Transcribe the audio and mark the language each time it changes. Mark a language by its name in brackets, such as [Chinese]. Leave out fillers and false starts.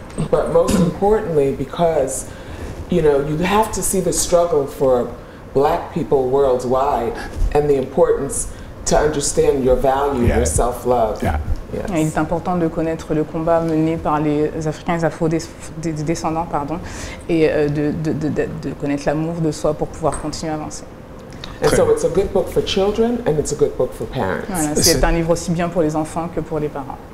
[English] But most importantly, because, you know, you have to see the struggle for black people worldwide and the importance to understand your value, your self-love. Yes. [French] Il est important de connaître le combat mené par les Africains, afro-descendants, pardon, et de connaître l'amour de soi pour pouvoir continuer à avancer. [English] And so it's a good book for children and it's a good book for parents. [French] Voilà, c'est un livre aussi bien pour les enfants que pour les parents.